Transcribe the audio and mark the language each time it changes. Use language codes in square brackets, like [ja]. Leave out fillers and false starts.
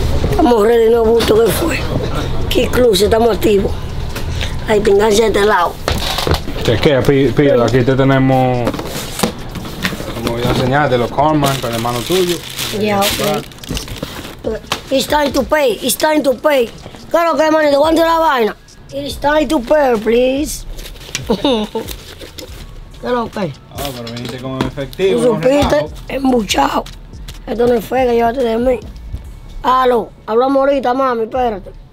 [es] Estamos ready, no bulto que fue. Qué club, estamos activos. La intendencia de este lado. ¿Qué es que? Pido, aquí te tenemos, como voy a enseñar, de los Carmen, con el hermano tuyo. Ya, yeah, ok. [en] It's time to pay, it's time to pay. [es] Claro que, hermano, ¿de cuándo es la vaina? [en] It's time to pay, please. [es] Claro que. Ah, pero viniste con el efectivo. Tú supiste, embuchado. Esto no es fe que llevaste de mí. Aló, hablamos ahorita, mami, espérate.